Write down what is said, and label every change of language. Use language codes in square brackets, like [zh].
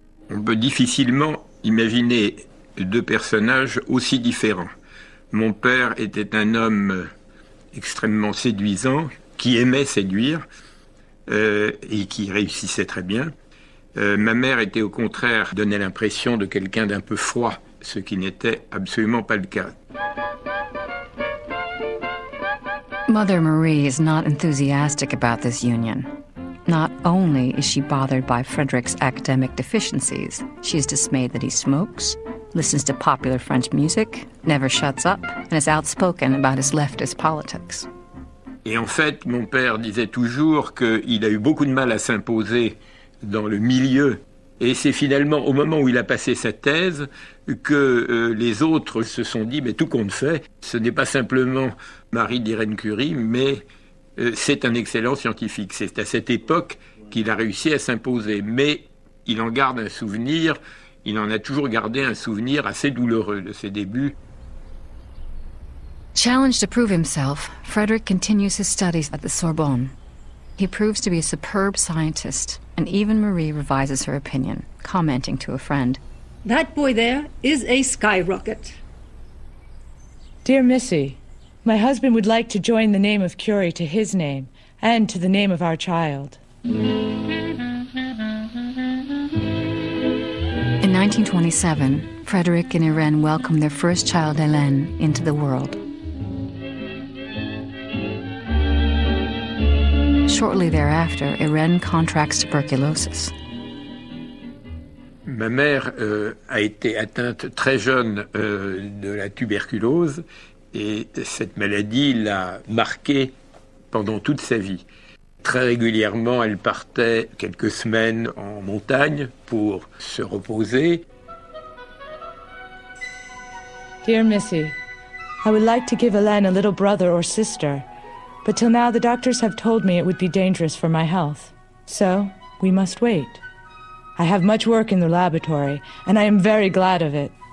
[fr] On peut difficilement imaginer deux personnages aussi différents. Mon père était un homme extrêmement séduisant, qui aimait séduire et qui réussissait très bien. Ma mère était au contraire, donnait l'impression de quelqu'un d'un peu froid, ce qui n'était absolument pas le cas. [en] Mother Marie is not enthusiastic about this union. Not only is she bothered by Frederick's academic deficiencies, she is dismayed that he smokes, listens to popular French music, never shuts up, and is outspoken about his leftist politics. [fr] Et en fait, mon père disait toujours qu'il a eu beaucoup de mal à s'imposer dans le milieu. Et c'est finalement au moment où il a passé sa thèse que les autres se sont dit, mais tout compte fait, ce n'est pas simplement Marie d'Irène Curie, mais c'est un excellent scientifique. C'est à cette époque qu'il a réussi à s'imposer. Mais il en garde un souvenir, il en a toujours gardé un souvenir assez douloureux de ses débuts. [en] Challenged to prove himself, Frederick continues his studies at the Sorbonne. He proves to be a superb scientist, and even Marie revises her opinion, commenting to a friend, "That boy there is a skyrocket." "Dear Missy, my husband would like to join the name of Curie to his name, and to the name of our child." In 1927, Frederick and Irene welcome their first child, Hélène, into the world. Shortly thereafter, Irene contracts tuberculosis. [fr] Ma mère a été atteinte très jeune de la tuberculose et cette maladie l'a marquée pendant toute sa vie. Très régulièrement, elle partait quelques semaines en montagne pour se reposer. [en] "Dear Missy, I would like to give Hélène a little brother or sister. But till now, the doctors have told me it would be dangerous for my health. So, we must wait. I have much work in the laboratory, and I am very glad of it.